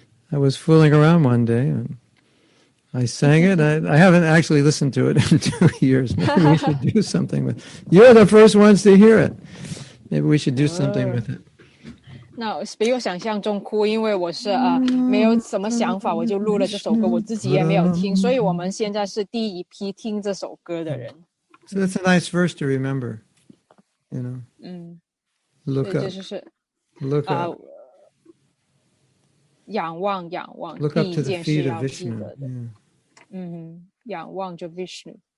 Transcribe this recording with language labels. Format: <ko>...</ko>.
<en>I was fooling around one day and I sang it. I haven't actually listened to it in 2 years. Maybe we should do something with it. You're the first ones to hear it. Maybe we should do something with it.</en> <zh>那比我想象中酷，因为我是没有什么想法，我就录了这首歌，我自己也没有听，所以我们现在是第一批听这首歌的人。</zh> <en>So that's a nice verse to remember, you know. Look up. Look up.</en> <zh>仰望。</zh> <en>Look up to the feet of Vishnu. Yeah.</en> <zh>仰望着 Vishnu.</zh>